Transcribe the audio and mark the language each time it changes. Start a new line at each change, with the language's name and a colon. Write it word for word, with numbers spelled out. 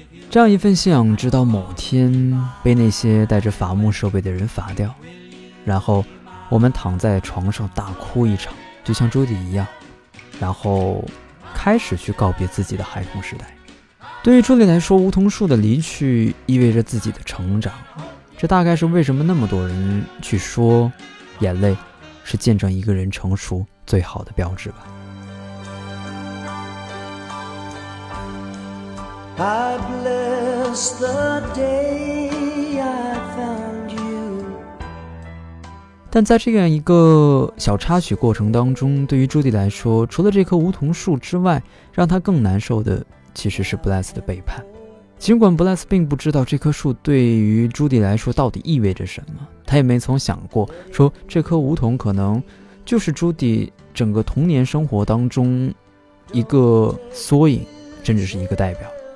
Chinese: 这样一份信仰直到某天被那些带着伐木设备的人伐掉，然后我们躺在床上大哭一场，就像朱迪一样，然后开始去告别自己的孩童时代。对于朱迪来说，梧桐树的离去意味着自己的成长，这大概是为什么那么多人去说眼泪是见证一个人成熟最好的标志吧。
English: I bless the day I found you.
Chinese: 但在这样一个小插曲过程当中，对于朱迪来说，除了这棵梧桐树之外，让他更难受的其实是 Bless 的背叛。尽管 Bless 并不知道这棵树对于朱迪来说到底意味着什么，他也没曾想过说这棵梧桐可能就是朱迪整个童年生活当中一个缩影，甚至是一个代表。